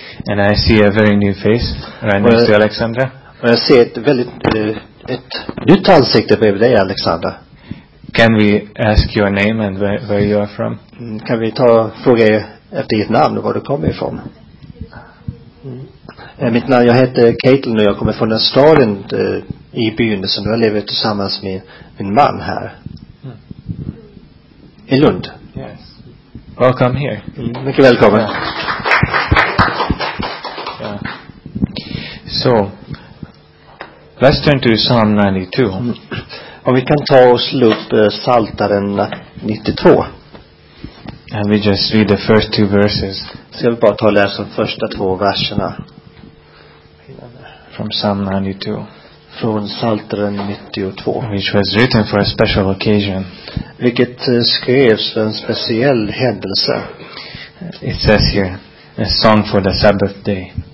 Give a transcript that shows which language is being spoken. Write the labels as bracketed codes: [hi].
[en] And I see a very new face right next to Alexandra. [sv] Och jag ser ett väldigt ett nytt ansikte bredvid dig, Alexandra. [en] Can we ask your name and where you are from? [sv] Kan vi ta fråga efter ditt namn och var du kommer ifrån? Mitt namn, jag heter Caitlin och jag kommer från en stad i byn som jag lever tillsammans med min man här. Mm. I Lund. [en] Yes. Welcome here. [sv] Mycket välkommen. Yeah. [en] Yeah. So, let's turn to Psalm 92. [sv] Om vi kan ta och slå upp Saltaren 92. [en] And we just read the first two verses. [sv] Ska vi bara ta och läsa de första två verserna. [en] From Psalm 92. [sv] Från Saltaren 92. [en] Which was written for a special occasion. [sv] Vilket skrevs för en speciell händelse. [en] It says here, a song for the Sabbath day.